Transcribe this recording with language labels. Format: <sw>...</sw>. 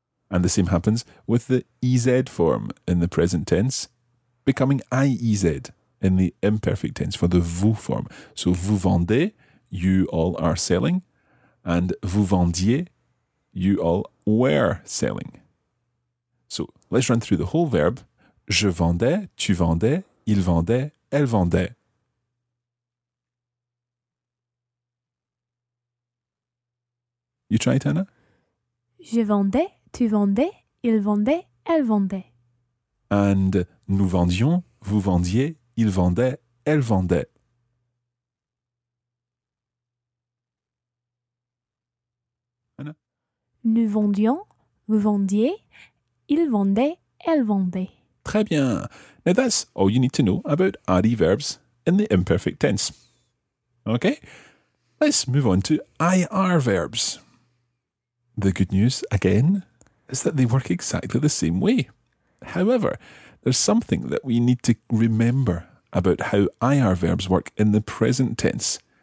<en>And the same happens with the EZ form in the present tense, becoming IEZ in the imperfect tense for the vous form. So,</en> <fr>vous vendez,</fr> <en>you all are selling, and</en> <fr>vous vendiez,</fr> <en>you all were selling. So, let's run through the whole verb.</en> <fr>Je vendais, tu vendais, il vendait, elle vendait.</fr> <en>You try it, Anna?</en> <fr>Je vendais, tu vendais, il vendait, elle vendait. And nous vendions, vous vendiez, il vendait, elle vendait.</fr> <en>Anna?</en> <fr>Nous vendions, vous vendiez, il vendait, elle vendait. Très bien.</fr> <en>Now that's all you need to know about RE verbs in the imperfect tense. Okay? Let's move on to IR verbs. The good news, again, is that they work exactly the same way. However, there's something that we need to remember about how IR verbs work in the present tense.</en>